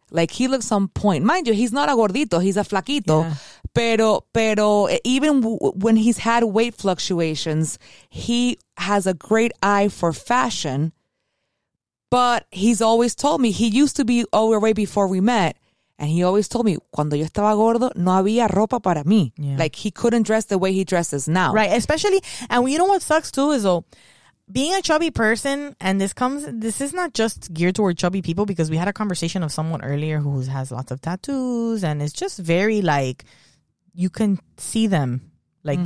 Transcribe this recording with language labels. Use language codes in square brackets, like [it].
[en] Like, he looks on point. Mind you, he's not a gordito. He's a flaquito. Yeah. Pero even when he's had weight fluctuations, he has a great eye for fashion. But he's always told me, he used to be overweight before we met. And he always told me, [es] cuando yo estaba gordo, no había ropa para mí. [en] Yeah. Like, he couldn't dress the way he dresses now. Right. Especially, and you know what sucks too is, though, being a chubby person, and this is not just geared toward chubby people, because we had a conversation of someone earlier who has lots of tattoos and it's just very like, you can see them. Like, mm-hmm.